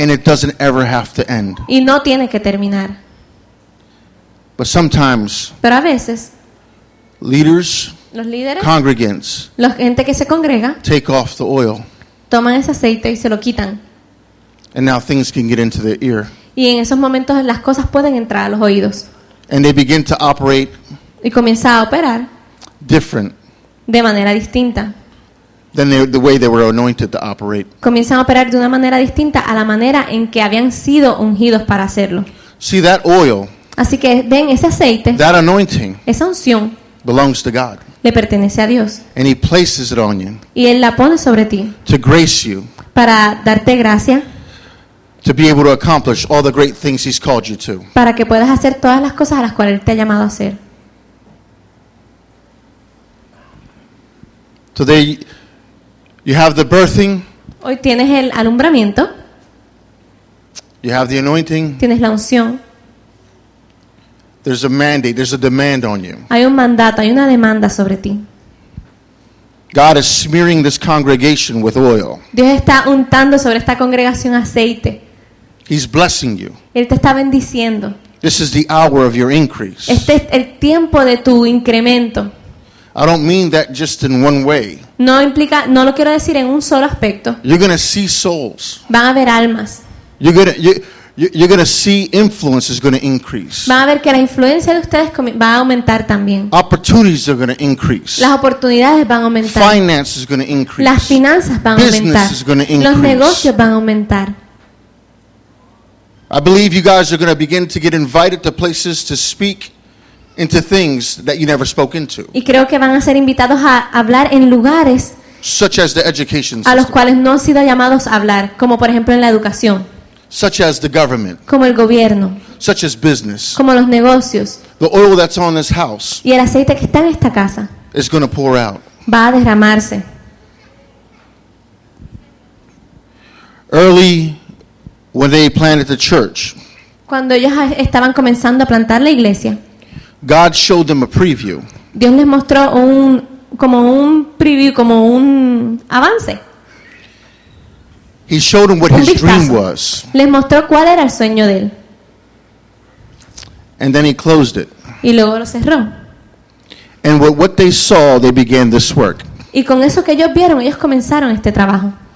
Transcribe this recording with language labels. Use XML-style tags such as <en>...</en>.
<en>And it doesn't ever have to end.</en> <es>Y no tiene que terminar.</es> <en>But sometimes.</en> <es>Pero a veces.</es> <en>Leaders.</en> <es>Los líderes.</es> <en>Congregants.</en> <es>La gente que se congrega.</es> <en>Take off the oil.</en> <es>Toman ese aceite y se lo quitan.</es> <en>And now things can get into their ear.</en> <es>Y en esos momentos las cosas pueden entrar a los oídos.</es> <en>And they begin to operate.</en> <es>Y comienza a operar.</es> <en>Different.</en> <es>De manera distinta.</es> <en>Than the way they were anointed to operate.</en> <es>Comienzan a operar de una manera distinta a la manera en que habían sido ungidos para hacerlo.</es> <en>See that oil.</en> <es>Así que ven ese aceite.</es> <en>That anointing.</en> <es>Esa unción.</es> <en>Belongs to God.</en> <es>Le pertenece a Dios.</es> <en>And he places it on you.</en> <es>Y él la pone sobre ti.</es> <en>To grace you.</en> <es>Para darte gracia.</es> <en>to be able to accomplish all the great things he's called you to.</en> <es>Para que puedas hacer todas las cosas a las cuales te ha llamado a hacer.</es> <en>Today you have the birthing.</en> <es>Hoy tienes el alumbramiento.</es> <en>You have the anointing.</en> <es>Tienes la unción.</es> <en>There's a mandate, there's a demand on you.</en> <es>Hay un mandato, hay una demanda sobre ti.</es> <en>God is smearing this congregation with oil.</en> <es>Dios está untando sobre esta congregación aceite.</es> <en>He's blessing you.</en> <es>Él te está bendiciendo.</es> <en>This is the hour of your increase.</en> <es>Este es el tiempo de tu incremento.</es> <en>I don't mean that just in one way.</en> <es>No implica, no lo quiero decir en un solo aspecto.</es> <en>You're going to see souls.</en> <es>Van a ver almas.</es> <en>You're going to see influence is going to increase.</en> <es>Van a ver que la influencia de ustedes va a aumentar también.</es> <en>Opportunities are going to increase.</en> <es>Las oportunidades van a aumentar.</es> <en>Finance is going to increase.</en> <es>Las finanzas van a aumentar.</es> <en>Business is going to increase.</en> <es>Los negocios van a aumentar.</es> <en>I believe you guys are going to begin to get invited to places to speak into things that you never spoke into.</en> <es>Y creo que van a ser invitados a hablar en lugares</es> <en>such as the education system.</en> <es>A los cuales no han sido llamados a hablar, como por ejemplo en la educación.</es> <en>Such as the government.</en> <es>Como el gobierno.</es> <en>Such as business.</en> <es>Como los negocios.</es> <en>The oil that's on this house.</en> <es>Y el aceite que está en esta casa.</es> <en>Is going to pour out.</en> <es>Va a derramarse.</es> <en>Early when they planted the church.</en> <es>Cuando ellos estaban comenzando a plantar la iglesia.</es> <en>God showed them a preview.</en> <es>Dios les mostró un como un preview, como un avance.</es> <en>He showed them what his dream was.</en> <es>Les mostró cuál era el sueño de él.</es> <en>And then he closed it.</en> <es>Y luego lo cerró.</es> <en>And with what they saw, they began this work.</en> <es>Y con eso que ellos vieron, ellos comenzaron este trabajo.</es>